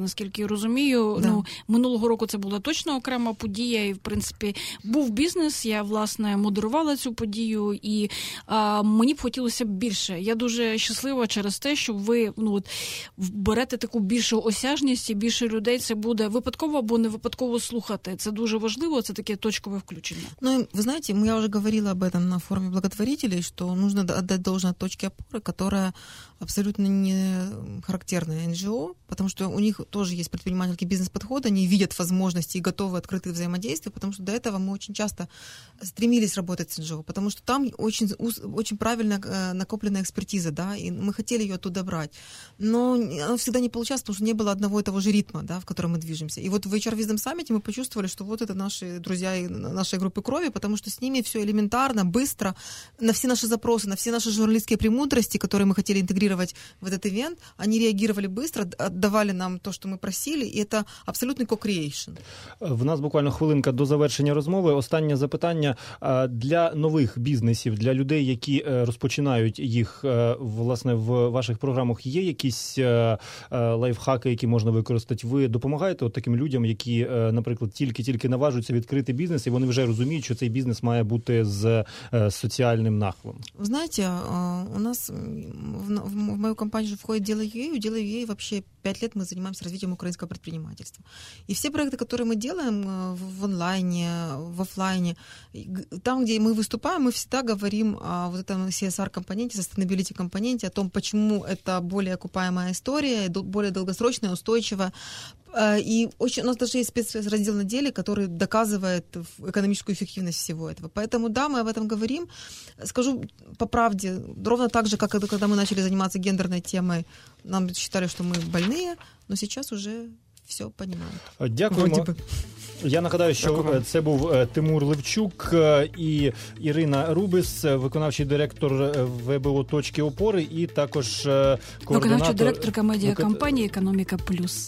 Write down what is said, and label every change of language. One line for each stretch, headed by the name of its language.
Ukrainian: Наскільки я розумію, минулого року це була точно окрема подія, і, в принципі, був бізнес, я, власне, модерувала цю подію, і мені б хотілося більше. Я дуже щаслива через те, що ви берете таку більшу осяжність, і більше людей це буде випадково або не випадково слухати. Це дуже важливо, це таке точкове включення. Ну, ви знаєте, я вже говорила
Russian: об этом на форумі благотворителей, що нужно отдать должное точки опори, которая абсолютно не характерное НГО, потому что у них тоже есть предпринимательский бизнес-подход, они видят возможности и готовы открыты взаимодействия, потому что до этого мы очень часто стремились работать с НГО, потому что там очень правильно накопленная экспертиза, да, и мы хотели ее оттуда брать. Но оно всегда не получалось, потому что не было одного и того же ритма, да, в котором мы движемся. И вот в HR Wisdom Summit мы почувствовали, что вот это наши друзья и нашей группы крови, потому что с ними все элементарно, быстро, на все наши запросы, на все наши журналистские премудрости, которые мы хотели интегрировать вот этот ивент, они реагировали быстро, отдавали нам то, что мы просили, и это абсолютный ко-креейшн.
Ukrainian: В нас буквально хвилинка до завершення розмови. Останнє запитання для нових бізнесів, для людей, які розпочинають їх, власне, в ваших програмах, є якісь лайфхаки, які можна використати? Ви допомагаєте от таким людям, які, наприклад, тільки-тільки наважуються відкрити бізнес, і вони вже розуміють, що цей бізнес має бути з соціальним нахилом? Ви знаєте, у нас в мою компанію вже входить Діла.ua. Діла.ua, взагалі, 5 років ми займаємося розвитком українського підприємництва. І всі проекти, які ми робимо в онлайні, в офлайні, там, де ми виступаємо, ми завжди говоримо
Russian: о вот этом
Ukrainian: CSR-компоненті, sustainability-компоненті,
Russian: о том,
Ukrainian: чому це більш окупаема історія, більш довгострочна, устойчива.
Russian: И очень, у нас даже есть спецраздел на деле, который доказывает экономическую эффективность всего этого. Поэтому да, мы об этом говорим. Скажу по правде, ровно так же, как когда мы начали заниматься гендерной темой, нам считали, что мы больные, но сейчас уже все понимают.
Ukrainian: Дякуємо. Я нагадаю, що це був Тимур Левчук і Ірина Рубіс, виконавчий директор ВБО.опори і також координатор... Виконавчий директорка медіакомпанії «Економіка плюс».